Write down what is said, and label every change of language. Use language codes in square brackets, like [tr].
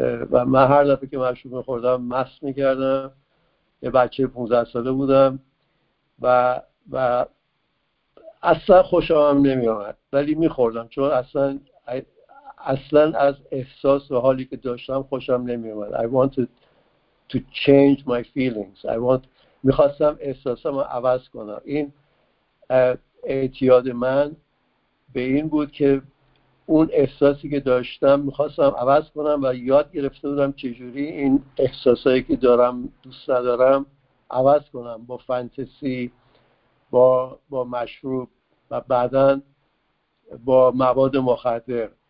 [fa] و من هر دفعه که مشروب میخوردم مست میکردم، یه بچه 15 ساله بودم و اصلا خوشم نمیومد ولی میخوردم، چون اصلا از احساس و حالی که داشتم خوشم نمیومد. [en] I wanted to change my feelings. [fa] میخواستم احساسم رو عوض کنم. این اعتیاد من به این بود که اون احساسی که داشتم میخواستم عوض کنم و یاد گرفته بودم چجوری این احساسایی که دارم دوست ندارم عوض کنم، با فانتزی، با مشروب و بعداً با مواد مخدر.